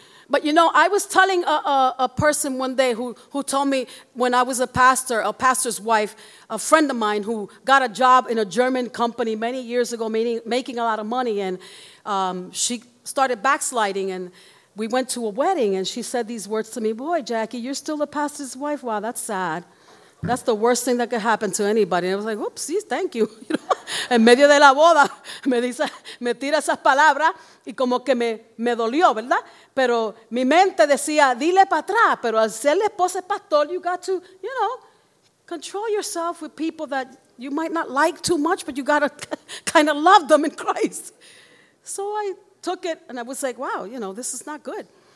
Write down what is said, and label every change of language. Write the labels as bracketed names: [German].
[English] But you know, I was telling a person one day who told me when I was a pastor, a pastor's wife, a friend of mine who got a job in a German company many years ago, making a lot of money, and she started backsliding, and we went to a wedding, and she said these words to me, boy, Jackie, you're still the pastor's wife? Wow, that's sad. That's the worst thing that could happen to anybody. And I was like, oopsies, thank you. [Spanish] En medio de la boda, me dice, me tira esas palabras, y como que me dolió, ¿verdad? Pero mi mente decía, dile para atrás, pero al ser esposa pastor, [English] you got to, you know, control yourself with people that you might not like too much, but you got to kind of love them in Christ. So I took it, and I was like, wow, you know, this is not good.